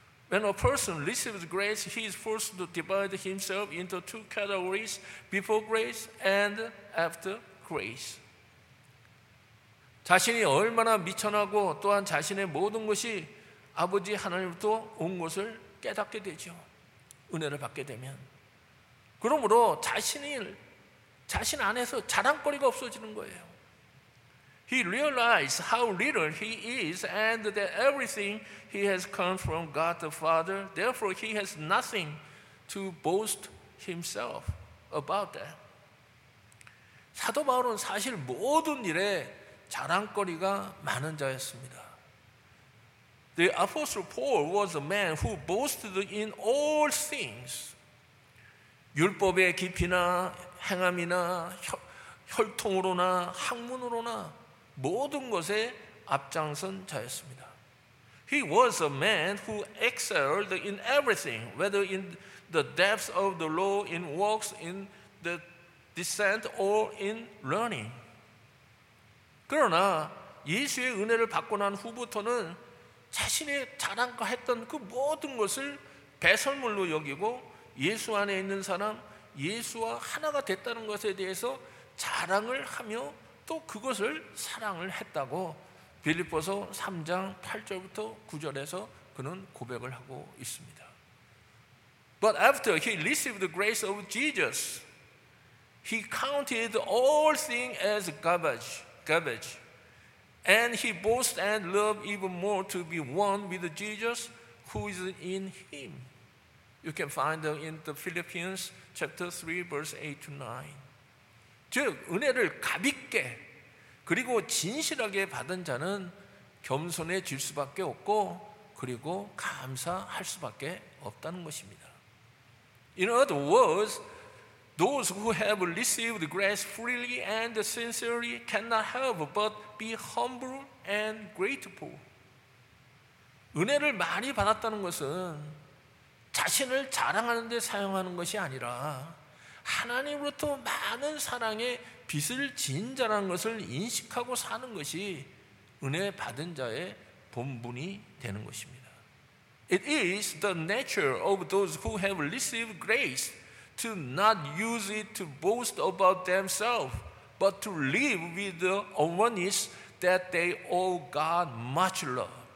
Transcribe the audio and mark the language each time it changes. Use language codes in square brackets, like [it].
[en] When a person receives grace, he is forced to divide himself into two categories, before grace and after grace. [ko] 자신이 얼마나 미천하고 또한 자신의 모든 것이 아버지 하나님부터 온 것을 깨닫게 되죠. 은혜를 받게 되면. 그러므로 자신 안에서 자랑거리가 없어지는 거예요. [en] He realized how little he is and that everything he has come from God the Father. Therefore, he has nothing to boast himself about that. [ko] 사도 바울은 사실 모든 일에 자랑거리가 많은 자였습니다. [en] The Apostle Paul was a man who boasted in all things. [ko] 율법의 깊이나 행함이나 혈통으로나 학문으로나 모든 것에 앞장선 자였습니다. [en] He was a man who excelled in everything, whether in the depths of the law, in works, in the descent, or in learning. [ko] 그러나 예수의 은혜를 받고 난 후부터는 자신의 자랑했던 그 모든 것을 배설물로 여기고 예수 안에 있는 사람, 예수와 하나가 됐다는 것에 대해서 자랑을 하며 또 그것을 사랑을 했다고 빌립보서 3장 8절부터 9절에서 그는 고백을 하고 있습니다. [en] But after he received the grace of Jesus, he counted all things as garbage. And he boasts and loves even more to be one with Jesus who is in him. You can find them in the Philippians chapter 3 verse 8 to 9. [ko] 즉 은혜를 가볍게 그리고 진실하게 받은 자는 겸손해질 수밖에 없고 그리고 감사할 수밖에 없다는 것입니다. [en] In other words, those who have received grace freely and sincerely cannot help but be humble and grateful. [ko] 은혜를 많이 받았다는 것은 자신을 자랑하는 데 사용하는 것이 아니라 하나님으로부터 많은 사랑의 빚을 진 자라는 것을 인식하고 사는 것이 은혜 받은 자의 본분이 되는 것입니다. [en] It is the nature of those who have received grace to not use it to boast about themselves, but to live with the awareness that they owe God much love.